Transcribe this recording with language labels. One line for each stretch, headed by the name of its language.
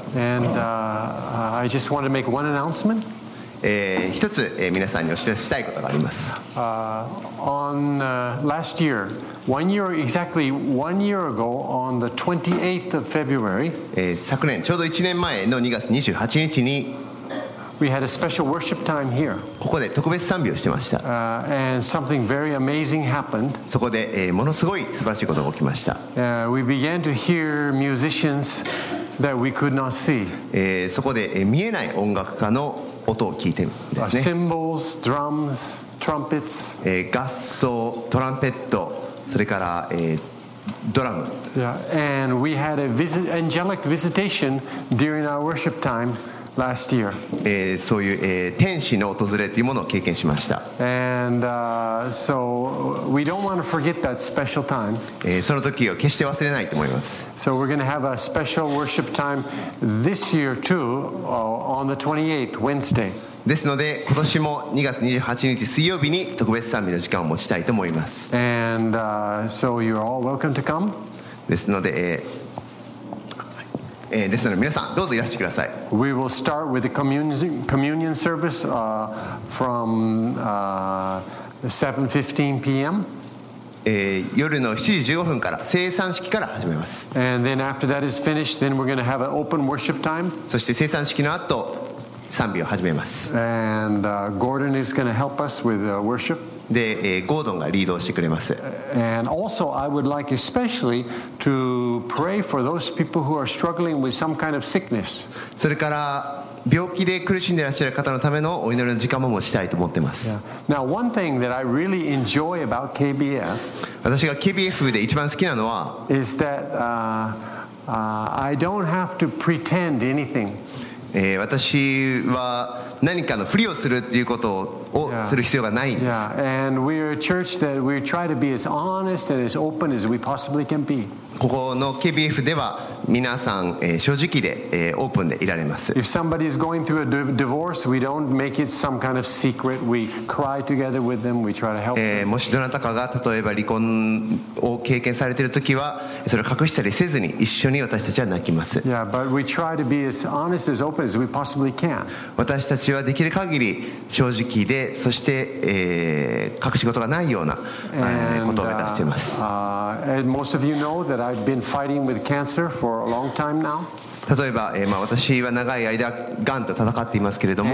English: And I just want to make one announcement.
Japanese: 一つ、皆さんにお知らせしたいことがあります。
English: Last year, one year ago, on the 28th of February,
Japanese: 昨年、ちょうど1年前の2月28日に、
English: We had a special worship time here.
Japanese: ここで特別賛美をしてました。
English: And something very amazing happened.
Japanese: そこで、ものすごい素晴らしいことが起きました。
English: We began to hear musicians that we could not see.
Japanese: そこで、見えない音楽家の音を聞いてるんですね。
English: Cymbals, drums, trumpets.
Japanese: 合奏、トランペット、それから、ドラム。
English: Yeah. And we had a angelic visitation during our worship time. Last year.
Japanese: そういう、天使の訪れというものを経験しました。
English: And, so we don't want to forget that special time.
Japanese: その時を決して忘れないと思います。
English: So we're going to have a special worship time this year too, on the 28th, Wednesday.
Japanese: ですので今年も2月28日水曜日に特別賛美の時間を持ちたいと思います。
English: And, so you're all welcome to come.
Japanese: ですので、ですので皆さんどうぞいらしてください。
English: We will start with the communion service from 7:15 p.m.
Japanese: 夜の7時15分から聖餐式から始めます。
English: And then after that is finished, then we're going to have an open worship time.
Japanese: そして聖餐式の後賛美を始めます。
English: And Gordon is going to help us with worship.
Japanese: で、ゴードンがリードをしてくれます。
English: And also, I would like especially to pray for those people who are struggling with some kind of sickness.
Japanese: それから病気で苦しんでいらっしゃる方のためのお祈りの時間も持ちたいと思ってます。
English: Yeah. Now, one thing that I really enjoy about KBF,
Japanese: 私が KBF で一番好きなのは、
English: is that I don't have to pretend anything.
Japanese: 私は何かのふりをするということをする必要がないんです。
English: Yeah. And we're a church that we try to be as honest and as open as we possibly can be.
Japanese: ここの KBF では皆さん正直でオープンでいられます。
English: If somebody is going through a divorce, we don't make it some kind of secret. We cry together with them. We try to help them.
Japanese: もしどなたかが例えば離婚を経験されているときは、それを隠したりせずに一緒に私たちは泣きます。
English: Yeah, but we try to be as honest as open as we possibly can.
Japanese: 私たちはできる限り正直で、そして、隠し事がないようなことを目指しています。
English: And most of you know that I've been fighting with cancer. For a long time now.
Japanese: 例えば、まあ、私は長い間がんと戦っていますけれども